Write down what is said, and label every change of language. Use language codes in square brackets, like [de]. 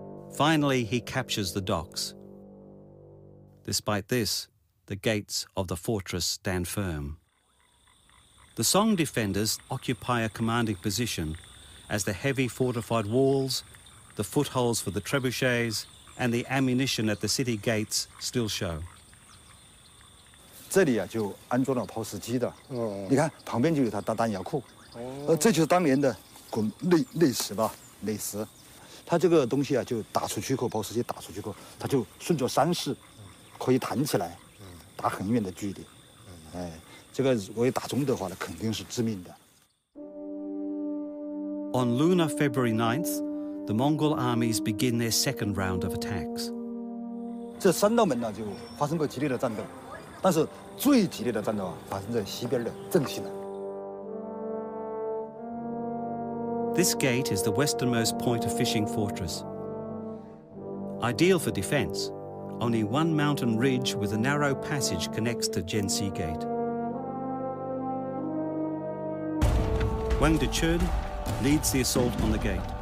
[en] Finally, he captures the docks. Despite this, the gates of the fortress stand firm." The Song defenders occupy a commanding position as the heavy fortified walls, the footholds for the trebuchets, and the ammunition at the city gates still show. [zh] 这里啊就安装了抛石机的，你看旁边就有它的弹药库，这就是当年的内石吧，内石。它这个东西啊就打出去后，抛石机打出去后，它就顺着山势可以弹起来，打很远的距离。哎，这个如果打中的话呢，肯定是致命的。 [en] On lunar February 9th, the Mongol armies begin their second round of attacks. [zh] 这三道门呢就发生过激烈的战斗。但是最激烈的战斗发生在西边的正西南。 [en] This gate is the westernmost point of fishing fortress. Ideal for defense, only one mountain ridge with a narrow passage connects to Jensi Gate. Wang Dechun leads the assault on the gate.